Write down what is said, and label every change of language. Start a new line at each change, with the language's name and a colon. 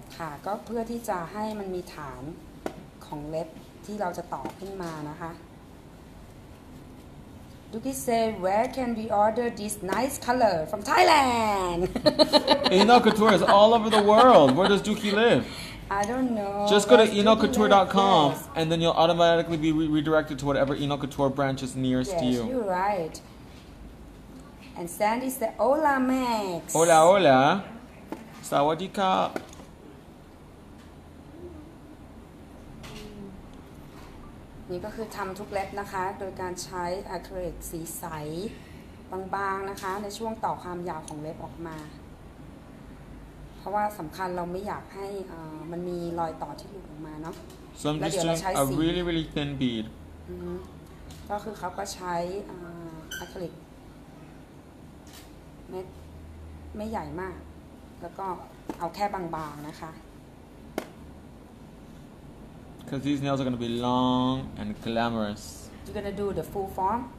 Thai: ค่ะก็เพื่อที่จะให้มันมีฐานของเล็บที่เราจะต่อขึ้นมานะคะ
English: Duki say where can we order this nice color from Thailand? Ino Couture is all over the world. Where does Duki live? I don't know. Just go to inocouture.com and then you'll automatically be redirected to whatever Ino Couture branch is nearest to you. Yes, you're right. And Sandy say hola Max.
Spanish: Hola, hola.
Thai: สวัสดีค่ะ นี่ก็คือทำทุกเล็บนะคะโดยการใช้อะคริลิกสีใสบางๆนะคะในช่วงต่อความยาวของเล็บออกมาเพราะว่าสำคัญเราไม่อยากให้มันมีรอยต่อที่หลุดออกมาเนาะ แล้วเดี๋ยวเราใช้สี
English: really really thin bead
Thai: ก็คือเขาก็ใช้อะคริลิกเม็ดไม่ใหญ่มากแล้วก็เอาแค่บางๆนะคะ
English: Cause these nails are gonna be long and glamorous. You're gonna do the full form?